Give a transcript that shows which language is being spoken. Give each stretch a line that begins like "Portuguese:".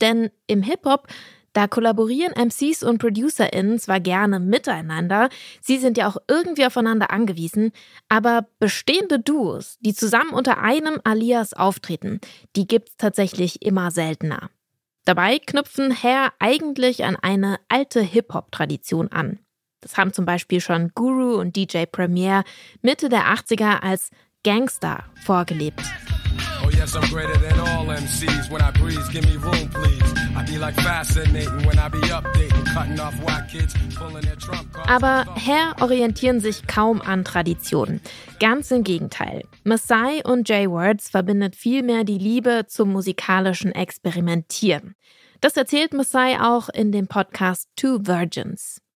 German: Denn im Hip-Hop, da kollaborieren MCs und ProducerInnen zwar gerne miteinander, sie sind ja auch irgendwie aufeinander angewiesen, aber bestehende Duos, die zusammen unter einem Alias auftreten, die gibt's tatsächlich immer seltener. Dabei knüpfen Hair eigentlich an eine alte Hip-Hop-Tradition an. Das haben zum Beispiel schon Guru und DJ Premier Mitte der 80er als Gangster vorgelebt.
English: Oh yes, I'm greater than all MCs. When I breathe, give me room, please. I be like fascinating when I be updating, cutting off white kids, pulling their trump cards.
German: Aber Hair orientieren sich kaum an Traditionen. Ganz im Gegenteil. Masai und Jay Wurz verbindet vielmehr die Liebe zum musikalischen Experimentieren. Das erzählt Masai auch in dem Podcast Two Virgins.